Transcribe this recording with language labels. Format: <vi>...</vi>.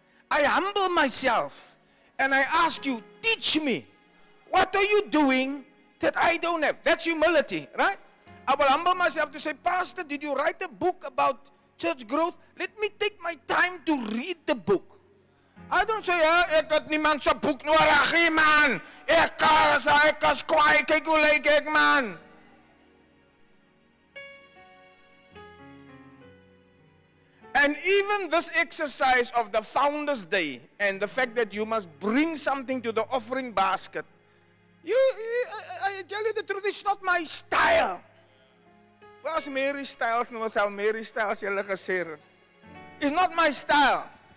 <en>I humble myself and I ask you, teach me, what are you doing that I don't have? That's humility, right? I will humble myself to say, Pastor, did you write a book about church growth? Let me take my time to read the book.</en> <af>I don't say, ek het nie man se boek nodig, man. Ek is kwaai, kyk hoe lyk ek, man.</af> <en>And even this exercise of the Founders Day and the fact that you must bring something to the offering basket, I tell you the truth, it's not my style. Was Mary Styles, no, was Mary Styles, jylle gesê. It's not my style.</en>